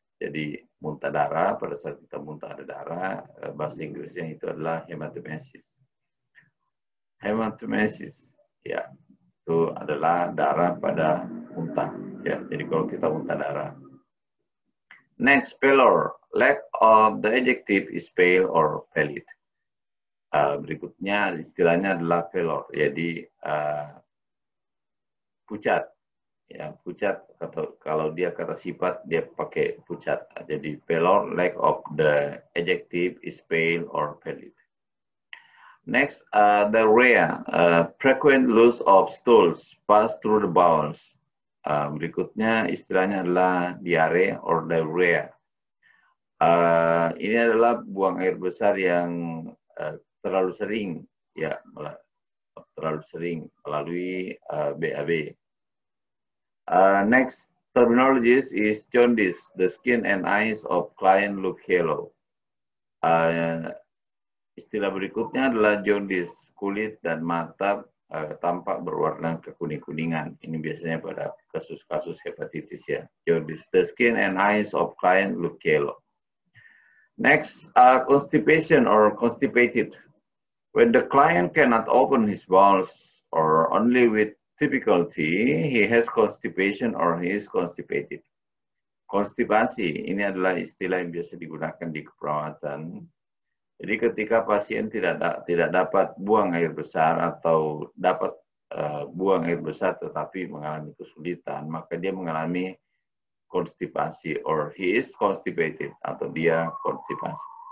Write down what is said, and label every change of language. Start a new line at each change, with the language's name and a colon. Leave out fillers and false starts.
Indonesian: Jadi muntah darah, pada saat kita muntah ada darah, bahasa Inggrisnya itu adalah hematemesis. Hematemesis. Ya, itu adalah darah pada muntah. Ya, jadi kalau kita muntah darah. Next, pallor.
English: Lack of the adjective is pale or pallid.
Indonesian: Berikutnya istilahnya adalah pallor. Jadi pucat. Ya, pucat atau kalau dia kata sifat dia pakai pucat. Jadi pallor.
English: Lack of the adjective is pale or pallid. Next, diarrhea, frequent loss of stools pass through the bowels.
Indonesian: Berikutnya istilahnya adalah diare or diarrhea. Ini adalah buang air besar yang terlalu sering, ya, terlalu sering melalui BAB.
English: Next terminology is jaundice. The skin and eyes of client look yellow.
Indonesian: Istilah berikutnya adalah jaundice. Kulit dan mata tampak berwarna kekuning-kuningan. Ini biasanya pada kasus-kasus hepatitis, ya. Jaundice.
English: The skin and eyes of client look yellow. Next, constipation or constipated. When the client cannot open his bowels or only with difficulty, he has constipation or he is constipated.
Indonesian: Konstipasi, ini adalah istilah yang biasa digunakan di keperawatan. Jadi ketika pasien tidak dapat buang air besar atau dapat buang air besar tetapi mengalami kesulitan, maka dia mengalami konstipasi
English: or he is constipated
Indonesian: atau dia konstipasi.